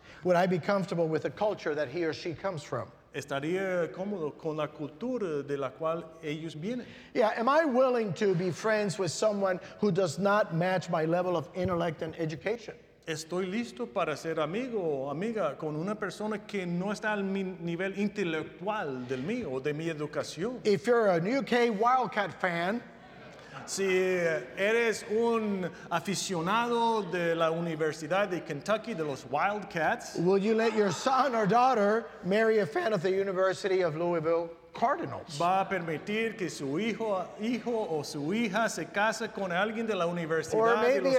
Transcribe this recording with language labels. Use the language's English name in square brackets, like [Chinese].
[English] Would I be comfortable with the culture that he or she comes from? [Spanish] Estaría cómodo con la cultura de la cual ellos vienen. [English] Yeah, am I willing to be friends with someone who does not match my level of intellect and education? [Spanish] Estoy listo para ser amigo o amiga con una persona que no está al nivel intelectual del mío o de mi educación. [English] If you're a UK Wildcat fan, [Spanish] si eres un aficionado de la Universidad de Kentucky, de los Wildcats, [English] will you let your son or daughter marry a fan of the University of Louisville Cardinals? [Spanish] ¿Va a permitir que su hijo o su hija se case con alguien de la Universidad de los Cardinals?